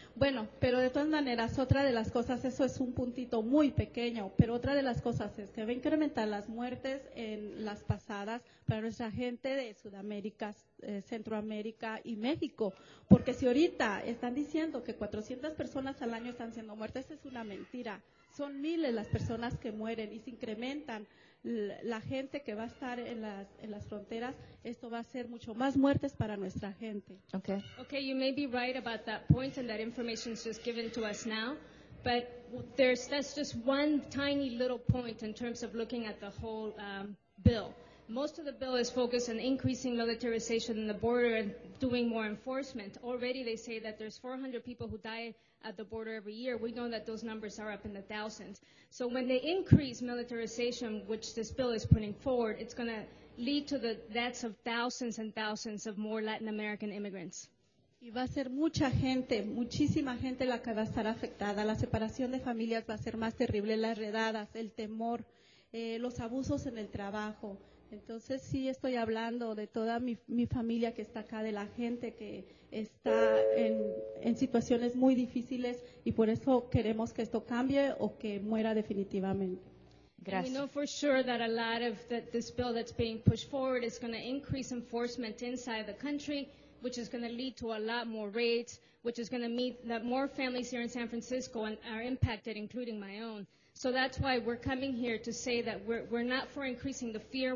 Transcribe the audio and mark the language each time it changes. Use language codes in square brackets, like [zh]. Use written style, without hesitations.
[es] Bueno, pero de todas maneras, otra de las cosas, eso es un puntito muy pequeño, pero otra de las cosas es que va a incrementar las muertes en las pasadas para nuestra gente de Sudamérica, Centroamérica y México. Porque si ahorita están diciendo que 400 personas al año están siendo muertas, es una mentira. Son miles las personas que mueren y se incrementan la gente que va a estar en las fronteras, esto va a ser mucho más muertes para nuestra gente. [en] Okay. Okay, you may be right about that point and that information is just given to us now, but that's just one tiny little point in terms of looking at the whole bill. Most of the bill is focused on increasing militarization in the border and doing more enforcement. Already they say that there's 400 people who die at the border every year. We know that those numbers are up in the thousands. So when they increase militarization, which this bill is putting forward, it's going to lead to the deaths of thousands and thousands of more Latin American immigrants. [es] Y va a ser mucha gente, muchísima gente la que va a estar afectada. La separación de familias va a ser más terrible, las redadas, el temor, los abusos en el trabajo. Entonces, sí estoy hablando de toda mi familia que está acá, de la gente que está en situaciones muy difíciles y por eso queremos que esto cambie o que muera definitivamente. Gracias. [en] We know for sure that a lot of this bill that's being pushed forward is going to increase enforcement inside the country, which is going to lead to a lot more raids, which is going to mean that more families here in San Francisco are impacted, including my own. So that's why we're coming here to say that we're not for increasing the fear.